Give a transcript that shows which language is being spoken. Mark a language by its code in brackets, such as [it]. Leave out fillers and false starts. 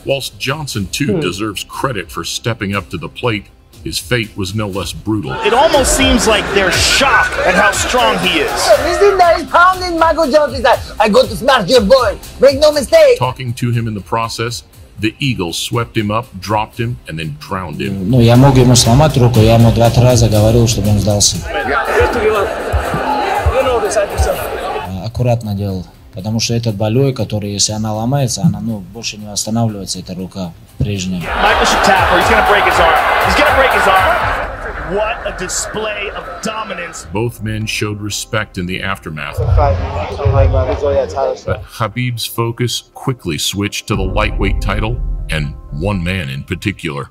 [en] Whilst Johnson, too, deserves credit for stepping up to the plate, his fate was no less brutal. It almost seems like they're shocked at how strong he is. Listen, that is pounding Michael Johnson's ass. I go to smash your boy. Make no mistake. Talking to him in the process, The eagle swept him up, dropped him, and then drowned him. [ru] Ну, я мог ему сломать руку, я ему два раза говорил, чтобы он сдался. Аккуратно делал, потому что этот болевой, который, если она ломается, она, ну, больше не восстанавливается, эта рука прежняя. [en] Michael should tap, or he's gonna break his arm. He's gonna break his arm. What a display of dominance. Both men showed respect in the aftermath. But Khabib's focus quickly switched to the lightweight title and one man in particular.